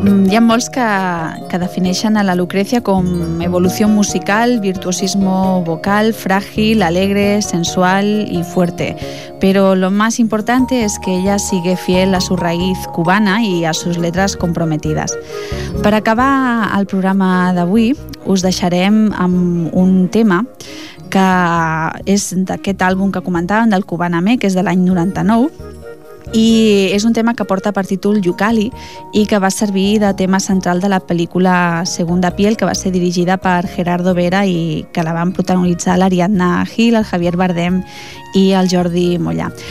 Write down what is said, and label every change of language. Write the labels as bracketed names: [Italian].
[Catalan] Hi ha molts que defineixen a la Lucrecia com evolució musical, [Spanish] virtuosismo vocal, [Catalan] fràgil, alegre, sensual i fuerte. [Spanish] Però lo más importante es que ella sigue fiel a su raíz cubana i a sus letras comprometidas. [Catalan] Per acabar el programa d'avui, us deixarem amb un tema que és d'aquest àlbum que comentàvem, del Cubaname, que és de l'any 99, i és un tema que porta per títol Yucali i que va servir de tema central de la pel·lícula Segunda piel, que va ser dirigida per Gerardo Vera i que la van protagonitzar l'Ariadna Gil, el Javier Bardem i el Jordi Mollà.